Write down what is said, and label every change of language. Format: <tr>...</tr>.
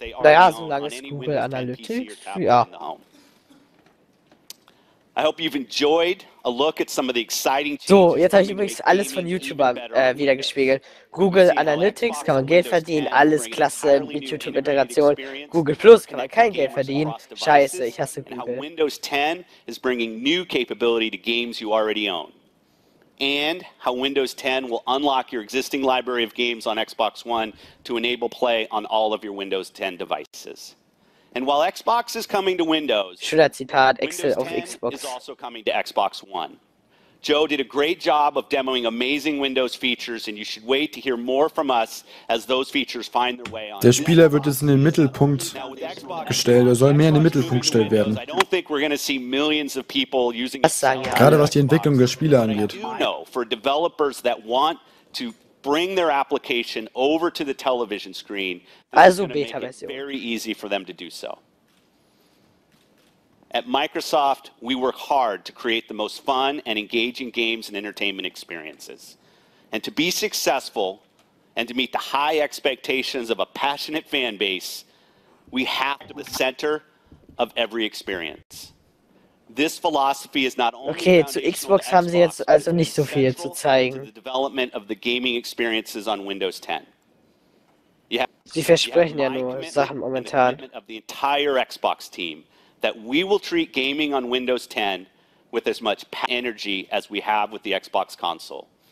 <de>Naja, solange es Google Analytics, ja.</de> <en>I hope you've enjoyed a look at some of the exciting changes.</en> <de>So, jetzt habe ich übrigens alles von YouTuber wiedergespiegelt. Google Analytics kann man Geld verdienen, alles klasse mit YouTube Integration. Google Plus kann man kein Geld verdienen. Scheiße, ich hasse Google.</de> <en>Windows 10 is bringing new capability to games you already own. And how Windows 10 will unlock your existing library of games on Xbox One to enable play on all of your Windows 10 devices. And while Xbox is coming to Windows,</en> <de>Schöner Zitat, Excel auf Xbox.</de> <en>Windows 10 is also coming to Xbox One. Joe did a great job of demoing amazing Windows features, and you should wait to hear more from us as those features find their way on.</en> <de>Der Spieler wird jetzt in den Mittelpunkt gestellt. Er soll mehr in den Mittelpunkt gestellt werden.</de> <en>I don't think we're going to see millions of people using.</en> <de>Gerade was die Entwicklung der Spiele angeht.</de> <en>No, for developers that want to. Bring their application over to the television screen. This also Beta Version. Very easy for them to do so. At Microsoft, we work hard to create the most fun and engaging games and entertainment experiences. And to be successful and to meet the high expectations of a passionate fan base, we have to be the center of every experience. This philosophy is not only</en> <de>okay, zu Xbox haben sie jetzt also nicht so viel zu zeigen.</de> <en>To the development of the gaming experiences on Windows 10.</en> <de>Sie versprechen ja nur Sachen momentan.</de> <en>The entire Xbox team that we will treat gaming on Windows 10 with as much energy as we have with the Xbox console.</en>